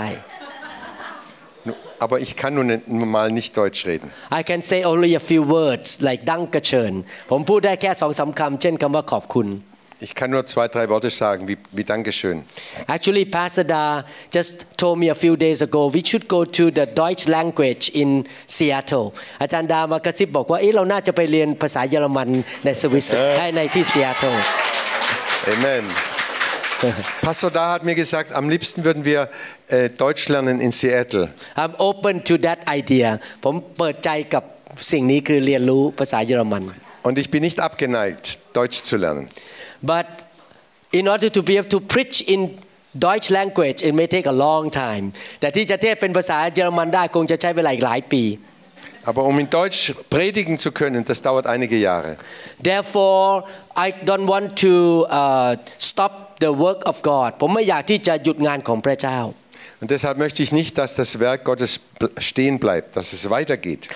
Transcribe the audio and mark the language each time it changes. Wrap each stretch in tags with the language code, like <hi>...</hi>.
<de>Aber ich kann nun mal nicht Deutsch reden.</de> <en>I can say only a few words like Dankeschön.</en> <th>ผมพูดได้แค่สองสามคำเช่นคำว่าขอบคุณ</th> <de>Ich kann nur zwei, drei Worte sagen wie Dankeschön.</de> <en>Actually, Pastor Da just told me a few days ago we should go to the Deutsch language in Seattle.</en> <th>อาจารย์ดามากระซิบบอกว่าเราน่าจะไปเรียนภาษาเยอรมันในสวิสในที่ Seattle</th> <en>Amen.</en> <de>Pastor Da hat mir gesagt, am liebsten würden wir Deutsch lernen in Seattle.</de> <en>I'm open to that idea.</en> <th>ผมเปิดใจกับสิ่งนี้คือเรียนรู้ภาษาเยอรมัน</th> <de>Und ich bin nicht abgeneigt, Deutsch zu lernen.</de> <en>But in order to be able to preach in Deutsch language, it may take a long time.</en> <th>แต่ที่จะเทศเป็นภาษาเยอรมันได้คงจะใช้เวลาอีกหลายปี</th> <de>Aber in Deutsch predigen zu können, das dauert einige Jahre.</de> <en>Therefore,I don't want to stop the work of God.</en> <th>ผมไม่อยากที่จะหยุดงานของพระเจ้า</th> <de>Und deshalb möchte ich nicht, dass das Werk Gottes stehen bleibt, dass es weitergeht.</de>